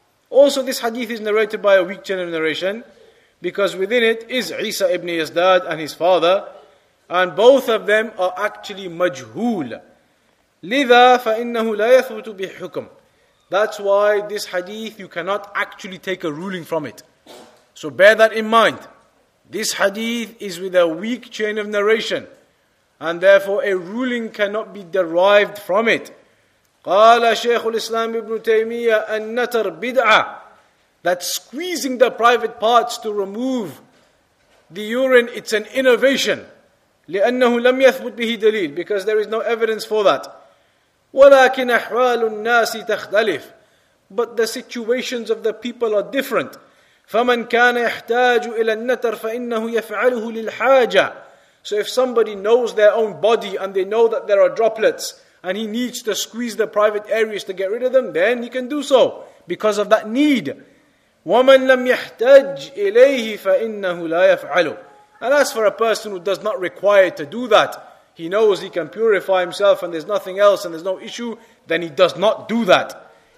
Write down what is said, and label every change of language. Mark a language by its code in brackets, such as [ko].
[en] Also, this hadith is narrated by a weak chain of narration, because within it is Isa ibn Yazdad and his father, and both of them are actually majhul. [ar] لذا فإنه لا يثبت بحكم. [en] That's why this hadith, you cannot actually take a ruling from it. So bear that in mind. This hadith is with a weak chain of narration, and therefore a ruling cannot be derived from it. [ar] قال شيخ الإسلام ابن تيمية النتر بدعة. [en] That squeezing the private parts to remove the urine, it's an innovation. [ar] لأنه لم يثبت به دليل, [en] because there is no evidence for that. [ar] ولكن أحوال الناس تختلف, [en] but the situations of the people are different. [ar] فمن كان يحتاج إلى النتر فإنه يفعله للحاجة. [en] So if somebody knows their own body and they know that there are droplets and he needs to squeeze the private areas to get rid of them, then he can do so because of that need. [ar] وَمَنْ لَمْ يَحْتَجْ إِلَيْهِ فَإِنَّهُ لَا يَفْعَلُ. [en] And as for a person who does not require to do that, he knows he can purify himself and there's nothing else and there's no issue, then he does not do that.